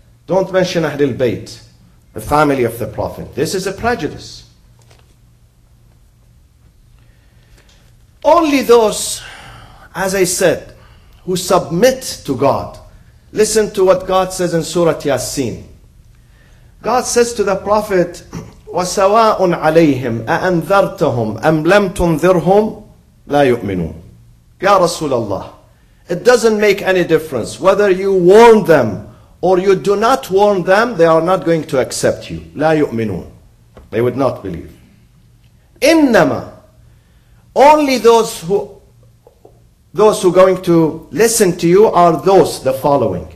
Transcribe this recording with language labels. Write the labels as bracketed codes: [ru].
[en] Don't mention Ahlul Bayt, the family of the Prophet. This is a prejudice. Only those, as I said, who submit to God. Listen to what God says in Surah Yasin. God says to the Prophet, [ar] وَسَوَاءٌ عَلَيْهِمْ أَأَنذَرْتَهُمْ أَمْ لَمْ تُنذِرْهُمْ لَا يُؤْمِنُونَ. [en] Ya Rasulullah, it doesn't make any difference whether you warn them or you do not warn them, they are not going to accept you. [ar] لَا يُؤْمِنُونَ. [en] They would not believe. [ar] إِنَّمَا. [en] Only those who are going to listen to you are those, the following.